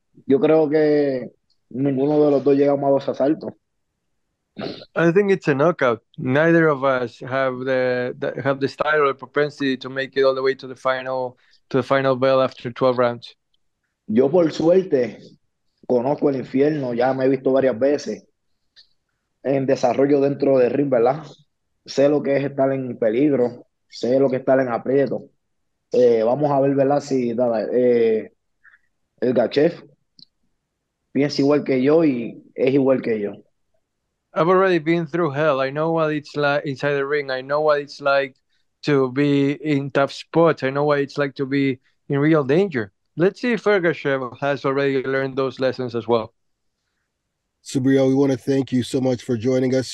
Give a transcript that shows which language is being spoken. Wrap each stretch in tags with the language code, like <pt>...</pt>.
<es>Yo creo que ninguno de los dos llegamos a dos asaltos.</es> <en>I think it's a knockout. Neither of us have the style or propensity to make it all the way to the final bell after 12 rounds.</en> <es>Yo, por suerte, conozco el infierno, ya me he visto varias veces en desarrollo dentro del ring, ¿verdad? Sé lo que es estar en peligro, sé lo que es estar en aprieto. Vamos a ver, ¿verdad? Si el Gachev piensa igual que yo y es igual que yo.</es> <en>I've already been through hell. I know what it's like inside the ring. I know what it's like to be in tough spots. I know what it's like to be in real danger. Let's see if Ergashev has already learned those lessons as well. Subriel, we want to thank you so much for joining us.</en>